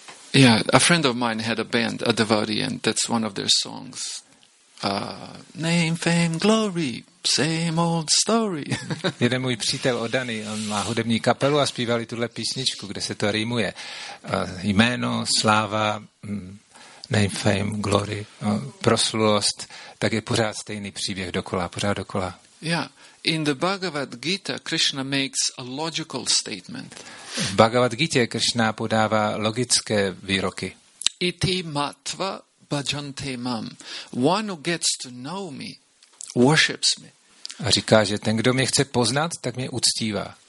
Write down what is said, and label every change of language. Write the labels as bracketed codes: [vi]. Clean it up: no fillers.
[en] Yeah, a friend of mine had a band, a devotee, and that's one of their songs. Name, fame, glory, same old story. [cs] Jeden můj přítel Odany, on má hudební kapelu a zpívali tuhle písničku, kde se to rýmuje. Jméno, sláva, [en] name, fame, glory, [cs] proslulost, tak je pořád stejný příběh dokola, pořád dokola. [en] Yeah, in the Bhagavad Gita, Krishna makes a logical statement. [cs] V Bhagavad Gita Krishna podává logické výroky. [sa] Iti matva bhajante mam. [en] One who gets to know me, worships me. [cs] A říká, že ten, kdo mě chce poznat, tak mě uctívá.